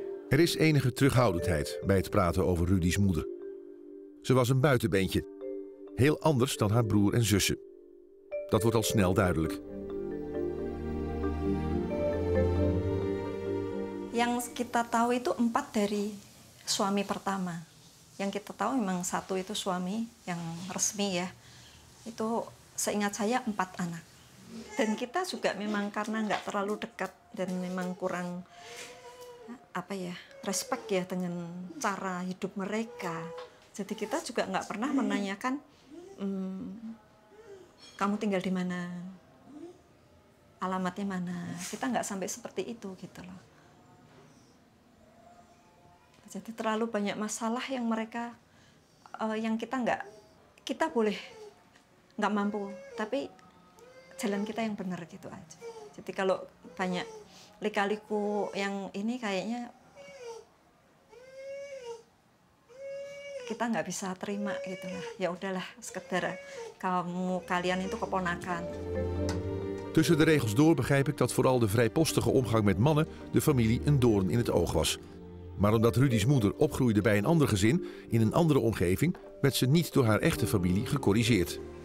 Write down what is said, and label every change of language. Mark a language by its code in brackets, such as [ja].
[nl] Er is enige terughoudendheid bij het praten over Rudy's moeder. Ze was een buitenbeentje. Heel anders dan haar broer en zussen. Dat wordt al snel duidelijk. [id] Yang kita tahu itu empat dari suami pertama. Yang kita tahu memang satu itu suami yang resmi ya. Itu seingat saya empat anak. Dan kita juga memang karena nggak terlalu dekat dan memang kurang apa ya, respect ya dengan cara hidup mereka. Jadi kita juga nggak pernah menanyakan kamu tinggal di mana, alamatnya mana. Kita nggak sampai seperti itu gitu loh. Jadi terlalu banyak masalah yang mereka, yang kita nggak, kita boleh nggak mampu, tapi jalan kita yang benar gitu aja. Jadi kalau banyak lika-liku yang ini kayaknya kita nggak bisa terima gitu lah. Ya udahlah, sekedar kamu, kalian itu keponakan. [nl] Tussen de regels door begrijp ik dat vooral de vrijpostige omgang met mannen de familie een doorn in het oog was. Maar omdat Rudy's moeder opgroeide bij een ander gezin, in een andere omgeving, werd ze niet door haar echte familie gecorrigeerd.